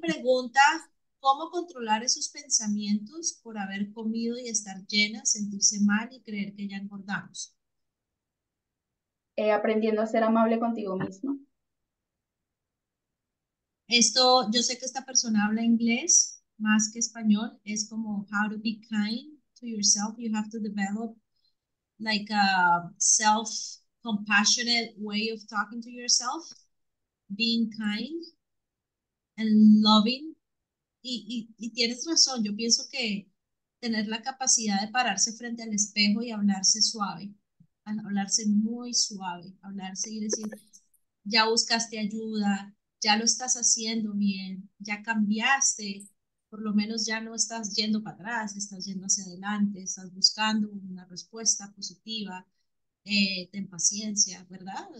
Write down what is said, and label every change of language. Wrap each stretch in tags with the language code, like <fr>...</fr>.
<es>pregunta, ¿cómo controlar esos pensamientos por haber comido y estar llena, sentirse mal y creer que ya engordamos? Aprendiendo a ser amable contigo mismo. Esto, yo sé que esta persona habla inglés más que español, es como</es> <en>how to be kind to yourself. You have to develop like a self-compassionate way of talking to yourself, being kind and loving.</en> <es>Y tienes razón, yo pienso que tener la capacidad de pararse frente al espejo y hablarse suave, hablarse muy suave, hablarse y decir, ya buscaste ayuda. Ya lo estás haciendo bien, ya cambiaste, por lo menos ya no estás yendo para atrás, estás yendo hacia adelante, estás buscando una respuesta positiva, ten paciencia, ¿verdad?</es>